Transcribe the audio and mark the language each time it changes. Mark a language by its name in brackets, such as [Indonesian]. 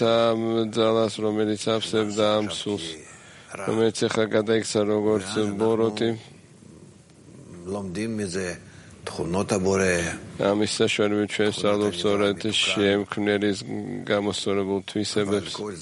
[Georgian] ამ ძალას, რომელიც ავსებდა ამ სულს, რომელიც ახლა გადაიქცა როგორც ბოროტი, [Hebrew] לומדים מזה תכונות הבורא. [Georgian] ამის საშუალებით ჩვენ ვსწავლობთ სწორედ შემქმნელის გამოსწორებულ თვისებებს.